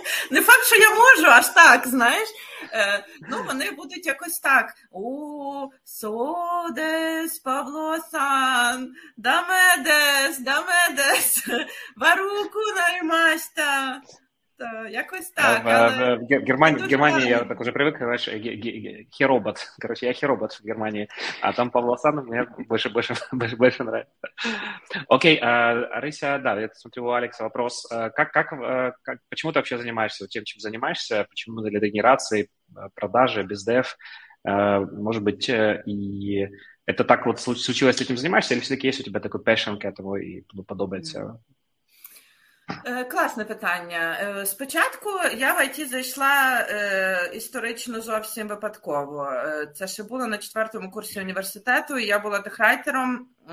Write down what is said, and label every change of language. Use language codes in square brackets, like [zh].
[uk] Не факт, що я можу, аж так, знаєш. Ну, вони будуть якось так. [ja] О, содес, Павло-сан, дамедес, дамедес, варуку наймаста. [uk] Якось так. [ru] В Германії я так уже привык, знаєш, хіробот. Короче, я хіробот в Германії. А там Павло Сан мені більше нравится. Окей, Арися, да, я смотрю у Алекса вопрос. Как, почему ты вообще занимаешься тем, чем занимаешься? Почему для генерации, продажи, бездев? Может быть, и это так вот случилось, этим занимаешься? Или все-таки есть у тебя такой passion к этому и подобается? [uk] Класне питання. Спочатку я в ІТ зайшла історично зовсім випадково. Це ще було на 4-му курсі університету, і я була техрайтером.